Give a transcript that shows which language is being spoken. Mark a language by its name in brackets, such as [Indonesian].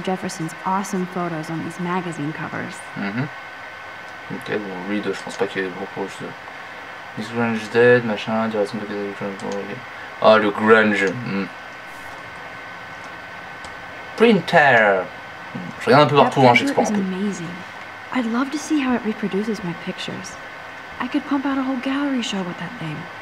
[English] Jefferson's awesome photos on these magazine covers. [French] Ok, bon, read, je pense pas qu'il y ait beaucoup de. [English] This Grunge Dead, [French] machin, direction de. Ah, oh, le Grunge. Printer. Je regarde un peu partout, hein, j'explore. C'est amazing. [English] I'd love to see how it reproduces my pictures. I could pump out a whole gallery show with that thing.